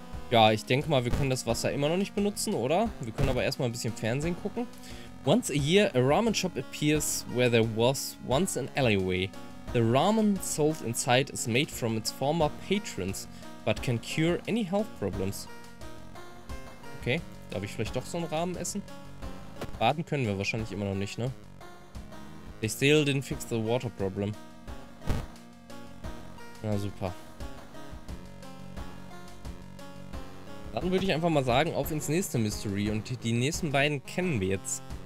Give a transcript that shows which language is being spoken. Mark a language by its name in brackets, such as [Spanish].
[German] Ja, ich denke mal, wir können das Wasser immer noch nicht benutzen, oder? Wir können aber erstmal ein bisschen Fernsehen gucken. [English] Once a year a ramen shop appears where there was once an alleyway. The ramen sold inside is made from its former patrons, but can cure any health problems. Okay. [German] Darf ich vielleicht doch so einen Rahmen essen? Baden können wir wahrscheinlich immer noch nicht, ne? [English] They still didn't fix the water problem. [German] Na super. Dann würde ich einfach mal sagen, auf ins nächste Mystery. Und die nächsten beiden kennen wir jetzt.